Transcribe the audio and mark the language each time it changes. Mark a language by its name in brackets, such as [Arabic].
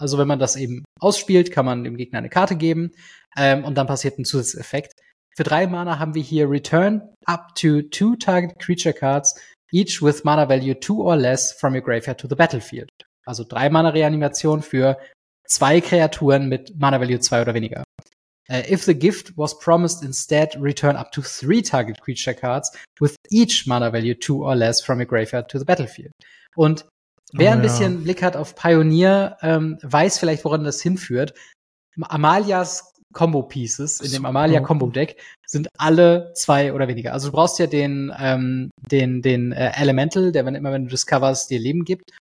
[German] Also wenn man das eben ausspielt, kann man dem Gegner eine Karte geben und dann passiert ein Zusatzeffekt. Für 3 Mana haben wir hier [English] Return up to 2 target creature cards, each with mana value 2 or less from your graveyard to the battlefield. [German] Also 3-Mana-Reanimation für 2 Kreaturen mit mana value 2 oder weniger. [English] If the gift was promised instead, return up to 3 target creature cards with each mana value 2 or less from your graveyard to the battlefield. [German] Und wer ein bisschen Blick hat auf Pioneer, weiß vielleicht, woran das hinführt. Amalias Combo-Pieces in dem Amalia-Combo-Deck sind alle zwei oder weniger. Also du brauchst ja den Elemental, der, wenn immer wenn du discoverst, dir Leben gibt.